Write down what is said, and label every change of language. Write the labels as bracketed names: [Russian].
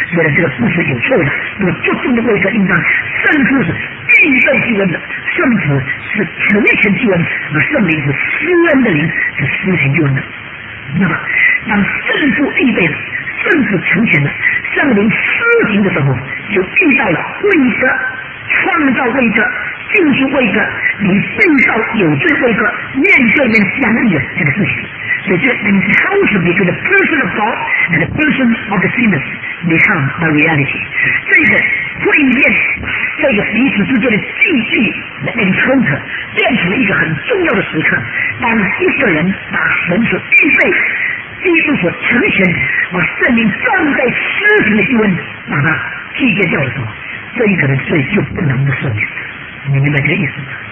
[Chinese] 原来这个故事有错的，那么救赎的位置应当圣父是预备救恩的，圣子是成全救恩，而圣灵是施恩的灵，是施行救恩的。那么当圣父预备了，圣子成全了，圣灵施行的时候，就遇到了位格创造位格救赎位格你被造有罪位格面对面相遇的这个事情。所以这个 [English] encounter between the person of God and the person of the sinners become a reality。 [Chinese] 这个会面，这个彼此之间的继续的 encounter 变成了一个很重要的时刻。当一个人把神所预备基督所成全把圣灵放在施行的救恩把它拒绝掉的时候，这一个人罪就不能赦免。你明白这个意思吗？